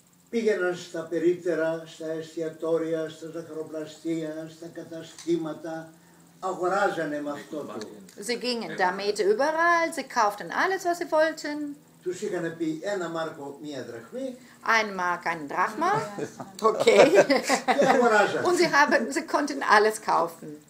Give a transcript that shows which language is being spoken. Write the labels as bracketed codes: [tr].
[el] Πήγαιναν στα περίπτερα, στα εστιατόρια, στα ζαχαροπλαστεία, στα καταστήματα. Αγοράζανε με αυτό το. [de] Sie gingen damit überall, sie kauften alles, was sie wollten. [el] Τους είχαν πει ένα μάρκο, μία δραχμή. [de] Ein Mark, ein Drachma. Okay. Und sie konnten alles kaufen.